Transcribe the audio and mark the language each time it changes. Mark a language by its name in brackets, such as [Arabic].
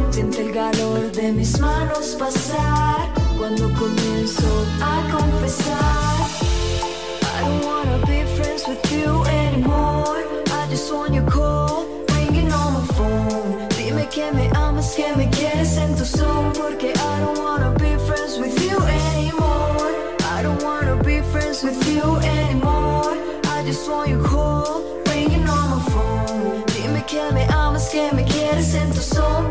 [Spanish] Siente el calor de mis manos pasar cuando comienzo a confesar. [English] I don't wanna be friends with you anymore. I just want your call, ringing on my phone. [Spanish] Dime que me amas, que me quieres en tu son. Porque [English] I don't wanna be friends with you anymore. I don't wanna be friends with you anymore. I just want your call, ringing on my phone. [Spanish] Dime que me amas, que me quieres en tu son.